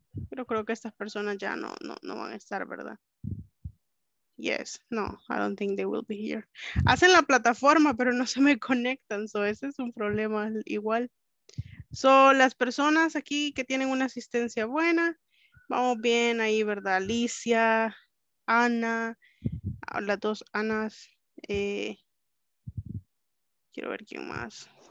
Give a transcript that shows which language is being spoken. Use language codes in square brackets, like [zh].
[es] Pero creo que estas personas ya no van a estar, ¿verdad? [en] Yes, no, I don't think they will be here. [es] Hacen la plataforma, pero no se me conectan, so ese es un problema igual. So, las personas aquí que tienen una asistencia buena, vamos bien ahí, ¿verdad? Alicia, Ana, las dos Anas, quiero ver quién más.